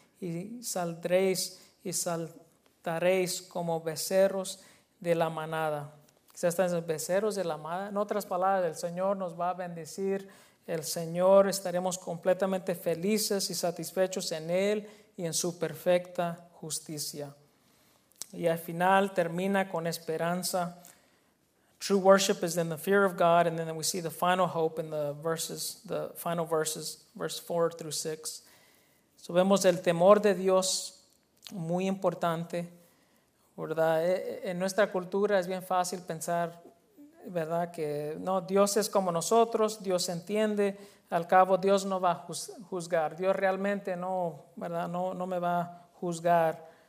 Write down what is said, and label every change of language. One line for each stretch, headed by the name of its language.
Spanish: Y saldréis y saltaréis como becerros de la manada. Quizás están los becerros de la manada. En otras palabras, el Señor nos va a bendecir. El Señor, estaremos completamente felices y satisfechos en Él y en su perfecta justicia. Y al final termina con esperanza.
English: True worship is in the fear of God. And then we see the final hope in the final verses, verse 4 through 6.
Spanish: So, vemos el temor de Dios, muy importante, ¿verdad? En nuestra cultura es bien fácil pensar, verdad, que no, Dios es como nosotros, Dios entiende, al cabo Dios no va a juzgar, Dios realmente no, verdad, no me va a juzgar.